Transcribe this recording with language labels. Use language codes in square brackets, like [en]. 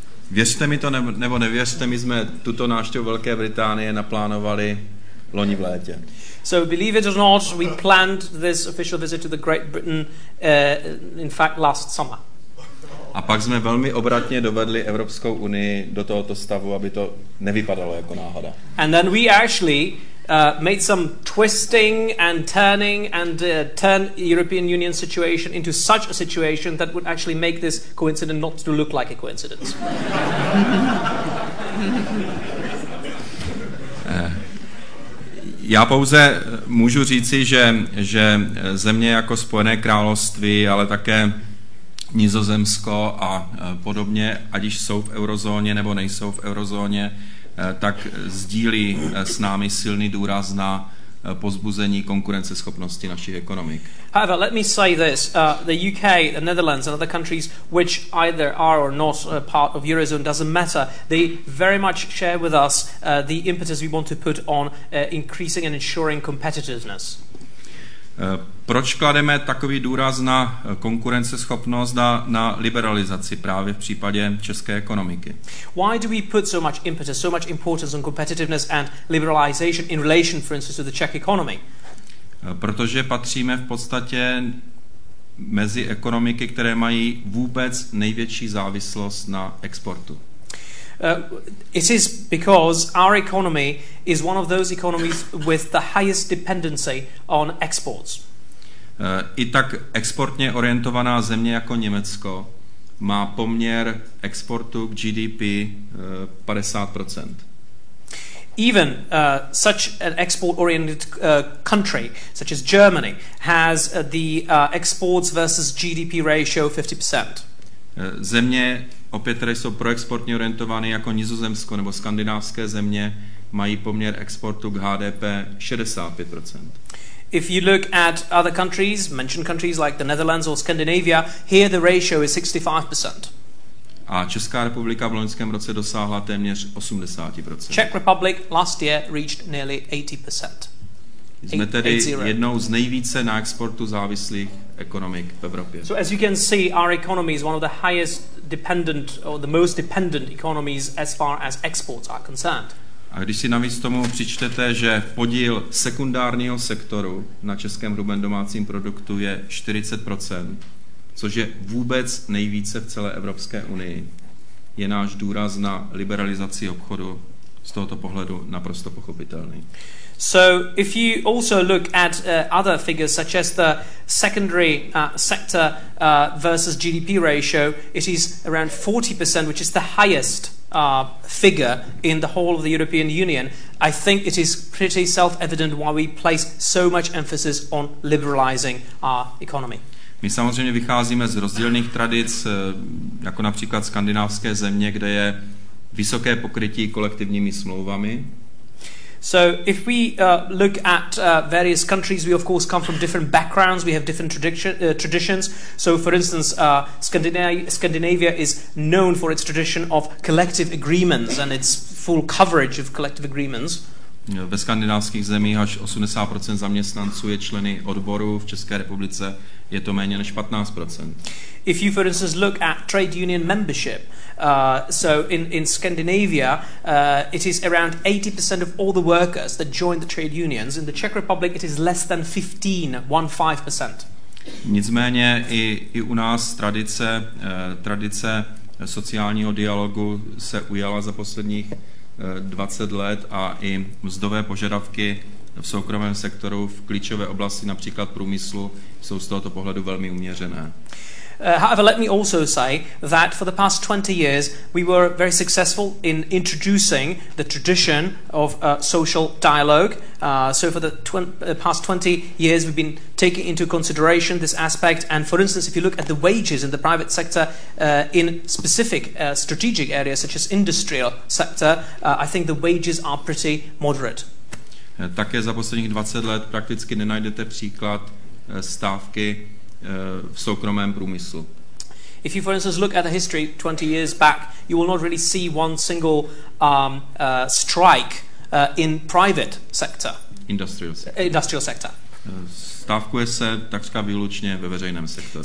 [cs] Věřte mi to, nebo nevěřte, my jsme tuto návštěvu Velké Británie naplánovali loni v létě. [en] So believe it or not, we planned this official visit to the Great Britain in fact last summer. [cs] A pak jsme velmi obratně dovedli Evropskou unii do tohoto stavu, aby to nevypadalo jako náhoda. [en] And then we actually made some twisting and turning and turn European Union situation into such a situation that would actually make this coincidence not to look like a coincidence. [cs] Já pouze můžu říci, že země jako Spojené království, ale také Nizozemsko a podobně, ať již jsou v eurozóně nebo nejsou v eurozóně, tak sdílí s námi silný důraz na pozbuzení konkurenceschopnosti našich ekonomik. [en] However, let me say this. The UK, the Netherlands and other countries which either are or not part of Eurozone doesn't matter. They very much share with us the impetus we want to put on increasing and ensuring competitiveness. [cs] Proč klademe takový důraz na konkurenceschopnost a na liberalizaci právě v případě české ekonomiky? [en] Why do we put so much impetus, so much importance on competitiveness and liberalization in relation, for instance, to the Czech economy? [cs] Protože patříme v podstatě mezi ekonomiky, které mají vůbec největší závislost na exportu. [en] It is because our economy is one of those economies with the highest dependency on exports. [cs] I tak exportně orientovaná země jako Německo má poměr exportu k GDP 50%. [en] Even such an export-oriented country, such as Germany, has the exports versus GDP ratio 50%. [cs] Země, opět, které jsou proexportně orientované jako Nizozemsko nebo skandinávské země, mají poměr exportu k HDP 65%. [en] If you look at other countries, mentioned countries like the Netherlands or Scandinavia, here the ratio is 65%. [cs] A Česká republika v loňském roce dosáhla téměř 80%. [en] Czech Republic last year reached nearly 80%. [cs] Jsme tedy jednou z nejvíce na exportu závislých ekonomik v Evropě. [en] So as you can see, our economy is one of the highest dependent or the most dependent economies as far as exports are concerned. [cs] A když si navíc tomu přičtete, že podíl sekundárního sektoru na českém hrubém domácím produktu je 40%, což je vůbec nejvíce v celé Evropské unii, je náš důraz na liberalizaci obchodu z tohoto pohledu naprosto pochopitelný. [en] So if you also look at other figures such as the secondary sector versus GDP ratio, it is around 40%, which is the highest figure in the whole of the European Union. I think it is pretty self-evident why we place so much emphasis on liberalizing our economy. [cs] My samozřejmě vycházíme z rozdílných tradic, jako například skandinávské země, kde je vysoké pokrytí kolektivními smlouvami. [en] So if we look at various countries, we of course come from different backgrounds, we have different traditions. So for instance, Scandinavia is known for its tradition of collective agreements and its full coverage of collective agreements. [cs] Ve skandinávských zemích až 80% zaměstnanců je členy odboru, v České republice je to méně než 15%. [en] If you for instance look at trade union membership, so in Scandinavia, it is around 80% of all the workers that join the trade unions. In the Czech Republic, it is less than 15%. [cs] Nicméně i u nás tradice sociálního dialogu se ujala za posledních 20 let a i mzdové požadavky v soukromém sektoru v klíčové oblasti, například průmyslu, jsou z tohoto pohledu velmi uměřené. [en] However, let me also say that for the past 20 years, we were very successful in introducing the tradition of social dialogue. So for the past 20 years, we've been taking into consideration this aspect. And for instance, if you look at the wages in the private sector in specific strategic areas, such as industrial sector, I think the wages are pretty moderate. [cs] Také za posledních 20 let prakticky nenajdete příklad stávky v soukromém průmyslu. [en] If you for instance look at the history 20 years back, you will not really see one single strike in private sector. Industrial sector. [cs] Stávkuje se takřka výlučně ve veřejném sektoru.